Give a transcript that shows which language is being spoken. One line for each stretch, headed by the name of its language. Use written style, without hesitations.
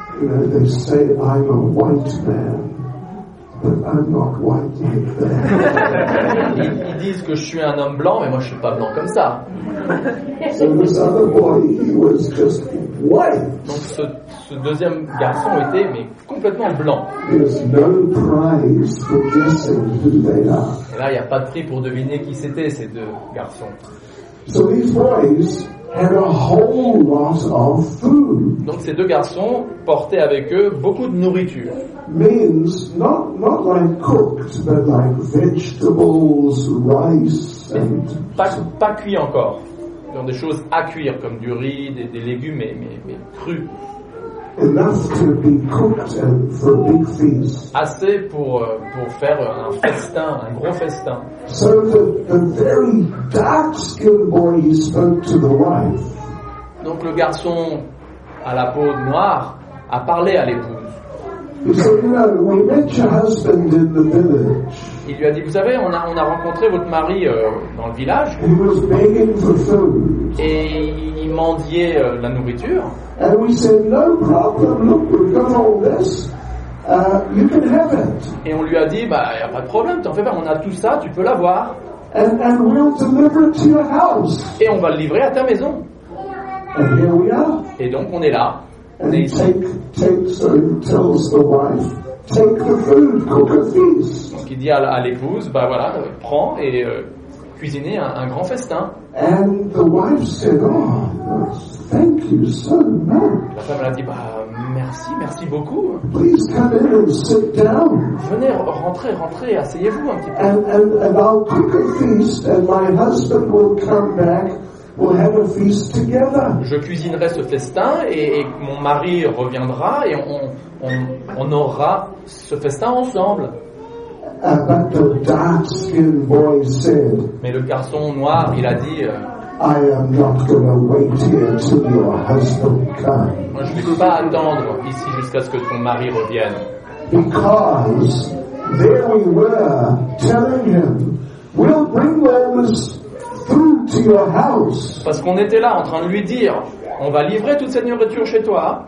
English: You know, they say I'm a white man. But I'm not white like that.
French: Ils disent que je suis un homme blanc, mais moi je suis pas blanc comme ça.
English: So this other boy, he was just white.
French: Donc ce deuxième garçon était mais complètement blanc.
English: There's no prize for guessing who they are.
French: Et là, il n'y a pas de prix pour deviner qui c'était ces deux garçons.
English: So these boys had a whole lot of food.
French: Donc ces deux garçons portaient avec eux beaucoup de nourriture.
English: Means not like cooked, but like vegetables, rice and
French: pas cuit encore. Donc des choses à cuire comme du riz, des légumes mais crus.
English: Enough to be cooked and for a big feast.
French: Assez pour faire un festin, un gros festin.
English: So the very dark-skinned boy spoke to the wife.
French: Donc le garçon à la peau noire a parlé à l'épouse.
English: He said, "You know, we met your husband in the village."
French: Il lui a dit, vous savez, on a rencontré votre mari dans le village.
English: He was begging for food.
French: Et il mendiait la nourriture.
English: And we said, no problem, look, we've got all this, you can have it.
French: Et on lui a dit, bah, y a pas de problème, t'en fais pas, on a tout ça, tu peux l'avoir.
English: And we'll deliver it to your house.
French: Et on va le livrer à ta maison.
English: And here we are.
French: Et donc on est là.
English: And
French: on est ici.
English: Tells the wife, take the food, cook a feast.
French: Donc il dit à l'épouse, bah voilà, prends et cuisiner un grand festin.
English: And the wife said, oh, thank you so much.
French: La femme a dit, bah merci beaucoup.
English: Please come in and sit down.
French: Venez, rentrez, asseyez-vous un petit peu.
English: And I'll cook a feast and my husband will come back. We'll have a feast together.
French: Je cuisinerai ce festin et mon mari reviendra et on aura ce festin ensemble.
English: But the dark-skinned boy said,
French: mais le garçon noir, il a dit,
English: I am not gonna wait here till your husband comes.
French: Moi, je ne peux pas attendre ici jusqu'à ce que ton mari revienne.
English: Because there we were telling him, we'll bring those food to your house.
French: Parce qu'on était là en train de lui dire, on va livrer toute cette nourriture chez toi.